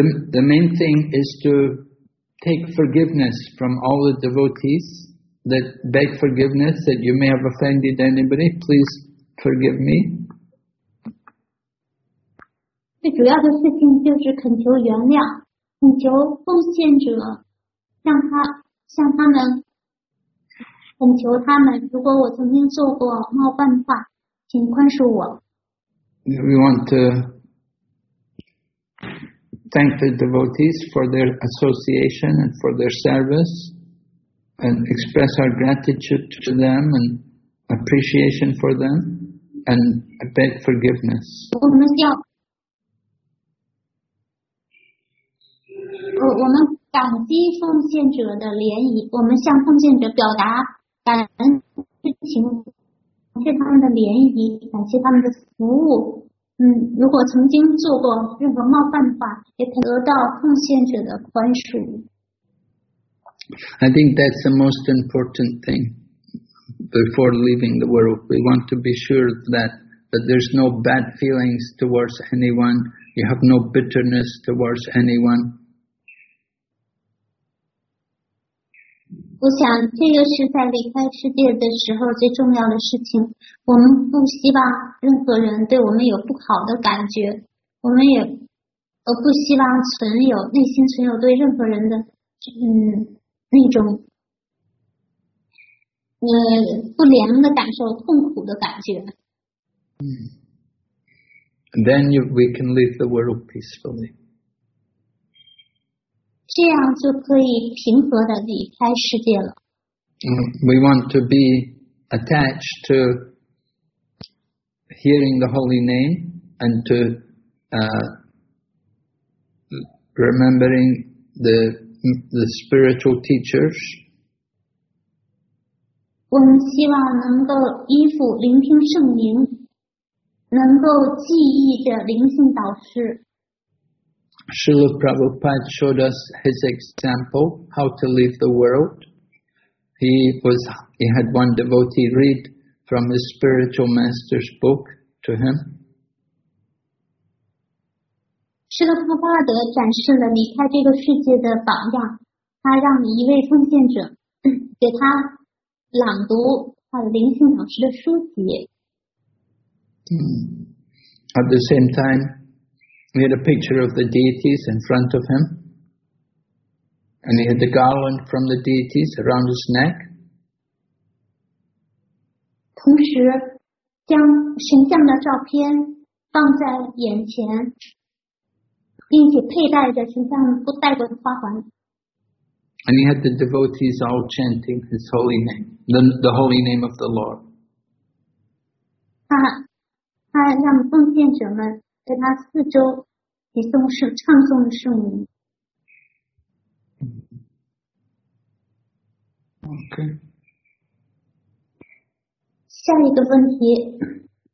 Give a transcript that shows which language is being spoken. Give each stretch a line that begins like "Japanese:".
English: The main thing is to take forgiveness from all the devotees that beg forgiveness that you may have offended anybody. Please forgive me.
Chinese: 最主要的事情就是恳求原谅，恳求奉献者向他们恳求他们，如果我曾经做过冒犯的话，请宽恕我。
English: We want to thank the devotees for their association and for their service, and express our gratitude to them and appreciation for them, and beg forgiveness.
Chinese: 我们感激奉献者的怜悯，我们向奉献者表达感恩之情，感谢他们的怜悯，感谢他们的服务。如果曾经做过任何冒犯的话，也可得到奉献者的宽恕。
English: I think that's the most important thing before leaving the world. We want to be sure that there's no bad feelings towards anyone. You have no bitterness towards anyone.
Chinese: 我想这个是在离开世界的时候最重要的事情。我们不希望任何人对我们有不好的感觉。我们也不希望内心存有对任何人的那种不良的感受，痛苦的感觉。
English: Then we can leave the world peacefully.
Chinese: 这样就可以平和的离开世界了。
English: We want to be attached to hearing the holy name and to remembering the spiritual teachers.
Chinese: 我们希望能够依附聆听圣灵，能够记忆着灵性导师。
English: Srila Prabhupada showed us his example how to leave the world. He had one devotee read from his spiritual master's book to him.
Chinese: Srila Prabhupada 展示了离开这个世界的榜样，他让一位奉献者给他朗读他的灵性导师的书籍。
English: At the same time, he had a picture of the deities in front of him, and he had the garland from the deities around his neck.
Chinese: 同时，将神像的照片放在眼前，并且佩戴着神像不戴过的花环。
English: And he had the devotees all chanting his holy name, the holy name of the Lord.
Chinese: 他让奉献者们在他四周起诵唱诵圣名。
English: OK.
Chinese: 下一个问题。